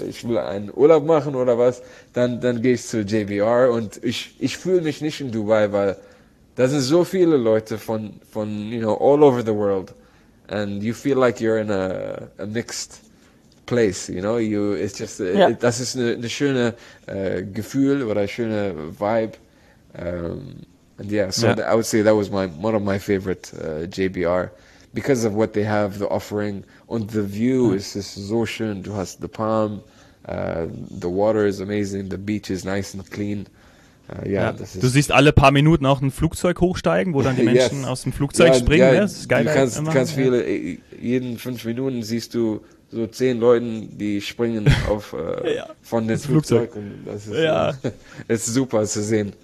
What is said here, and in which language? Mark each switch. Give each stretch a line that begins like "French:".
German: Ich will einen Urlaub machen oder was, dann gehe ich zu JBR und ich fühle mich nicht in Dubai, weil da sind so viele Leute von
English: you know, all over the world and you feel like you're in a mixed place, you know?
German: Das ist eine schöne Gefühl oder eine schöne Vibe.
English: I would say that was one of my favorite JBR because of what they have, the offering and the view is just so schön.
German: Du hast
English: the palm, the water is amazing, the beach is nice and clean.
German: Du siehst alle paar Minuten auch ein Flugzeug hochsteigen, wo dann die Menschen aus dem Flugzeug springen. Ja, das ist geil. Du kannst viele, jeden 5 Minuten siehst du so 10 Leute, die springen auf von dem Flugzeug. Das ist super zu sehen.